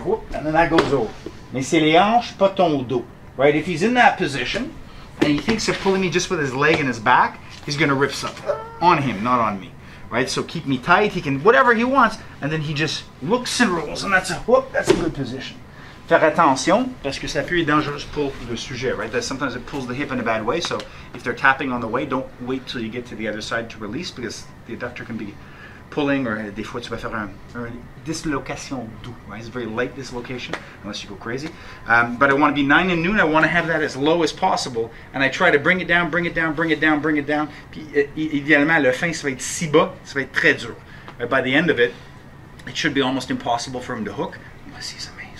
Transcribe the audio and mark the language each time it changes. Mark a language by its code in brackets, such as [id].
[fr] Whoop, [en] and then that goes over. [fr] Mais c'est les hanches, pas ton dos. Right? [en] If he's in that position and he thinks of pulling me just with his leg and his back, he's gonna rip something on him, not on me. Right? So keep me tight, he can whatever he wants, and then he just looks and rolls, and that's a whoop, that's a good position. [fr] Faire attention, parce que ça peut être dangereux pour le sujet, right? [en] That sometimes it pulls the hip in a bad way, so if they're tapping on the way, don't wait till you get to the other side to release, because the adductor can be pulling, or [fr] des fois tu vas faire un dislocation doux, [en] right? It's a very light dislocation, unless you go crazy. But I want to be 9 and noon, I want to have that as low as possible, and I try to bring it down, bring it down, bring it down, bring it down. [fr] Puis, idéalement, le fin, ça va être si bas, ça va être très dur. [en] Right? By the end of it, it should be almost impossible for him to hook, unless he's amazing.